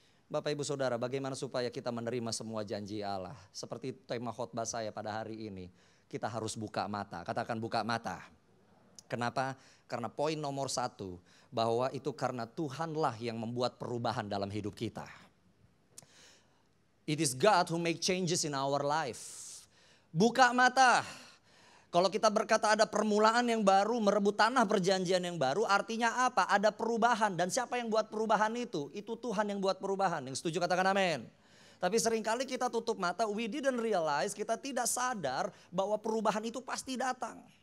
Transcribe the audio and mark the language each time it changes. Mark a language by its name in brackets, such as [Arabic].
[Indonesian] Bapak Ibu Saudara, bagaimana supaya kita menerima semua janji Allah? Seperti tema khotbah saya pada hari ini, kita harus buka mata. Katakan buka mata. Kenapa? Karena poin nomor satu, bahwa itu karena Tuhanlah yang membuat perubahan dalam hidup kita. [English] It is God who make changes in our life. [Indonesian] Buka mata. Kalau kita berkata ada permulaan yang baru, merebut tanah perjanjian yang baru, artinya apa? Ada perubahan. Dan siapa yang buat perubahan itu? Itu Tuhan yang buat perubahan. Yang setuju katakan amin. Tapi seringkali kita tutup mata, [English] we didn't realize, [Indonesian] kita tidak sadar bahwa perubahan itu pasti datang.